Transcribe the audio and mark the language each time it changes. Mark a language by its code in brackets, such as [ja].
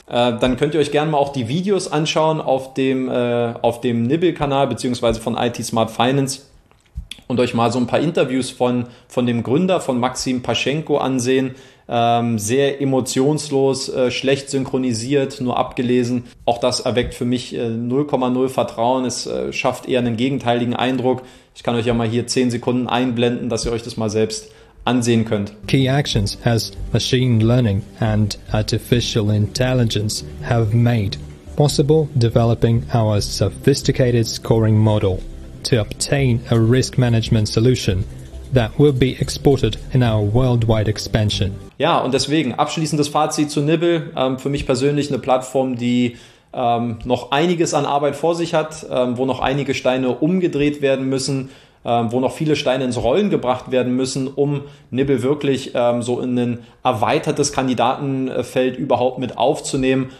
[de] Dann könnt ihr euch gerne mal auch die Videos anschauen auf dem Nibble-Kanal beziehungsweise von IT Smart Finance und euch mal so ein paar Interviews von dem Gründer, von Maxim Paschenko ansehen. Sehr emotionslos, schlecht synchronisiert, nur abgelesen. Auch das erweckt für mich 0,0 Vertrauen. Es schafft eher einen gegenteiligen Eindruck. Ich kann euch ja mal hier 10 Sekunden einblenden, dass ihr euch das mal selbst ansehen könnt. [en] Key actions has machine learning and artificial intelligence have made possible developing our sophisticated scoring model to obtain a risk management solution that will be exported in our worldwide expansion. [de] Ja, und deswegen abschließendes Fazit zu Nibble. Für mich persönlich eine Plattform, die noch einiges an Arbeit vor sich hat, wo noch einige Steine umgedreht werden müssen, wo noch viele Steine ins Rollen gebracht werden müssen, um Nibble wirklich so in ein erweitertes Kandidatenfeld überhaupt mit aufzunehmen.